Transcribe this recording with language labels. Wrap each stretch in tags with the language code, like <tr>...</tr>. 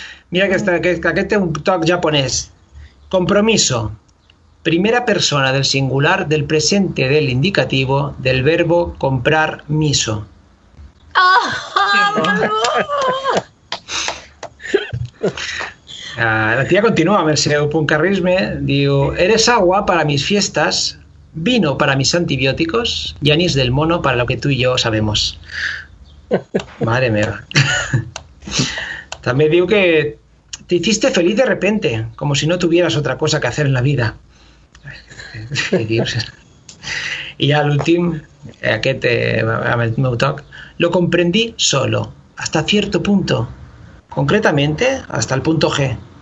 <ca>Mira, aquest té un toc japonès. Compromiso.</ca> <es>Primera persona del singular del presente del indicativo del verbo comprar miso.</es> <ca>La tia continua amb el seu puncarrisme.</ca> <es>Diu: eres agua para mis fiestas, vino para mis antibióticos y anís del mono para lo que tú y yo sabemos. Madre mía.</es> <ca>També diu que</ca> <es>te hiciste feliz de repente, como si no tuvieras otra cosa que hacer en la vida.</es> <ca>I ja l'últim, aquest amb el meu toc:</ca> <es>lo comprendí solo, hasta cierto punto. Concretamente, hasta el punto G.</es>